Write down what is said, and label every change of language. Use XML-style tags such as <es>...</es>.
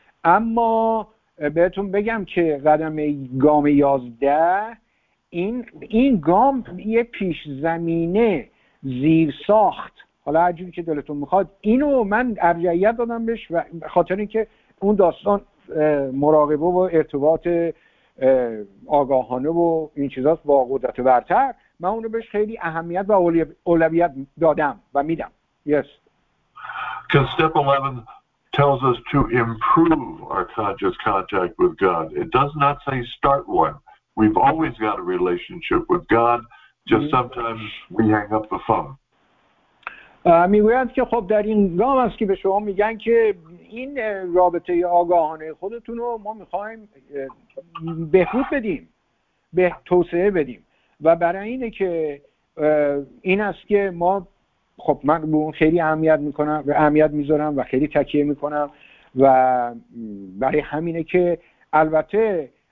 <fa>اما بهتون بگم که قدم گام 11 این گام یه پیش زمینه زیر ساخت حالا هر جوری که دلتون میخواد اینو من ارجحیت دادم بهش و خاطر اینکه اون داستان مراقبه و ارتباط آگاهانه و این چیزاست با قدرت برتر من اونو بهش خیلی اهمیت و اولویت دادم و میدم</fa> <en>yes Because step 11 tells us to improve our conscious contact with God it does not say start one we've always got a relationship with God Just sometimes we hang up the phone.</en> <fa>میگویند که خب در این گام است که به شما میگن که این رابطه آگاهانه خودتون رو ما میخواییم بهبود بدیم به توسعه بدیم و برای اینه که این است که ما خب من به اون خیلی اهمیت میکنم و اهمیت میذارم و خیلی تکیه میکنم و برای همینه که البته</fa>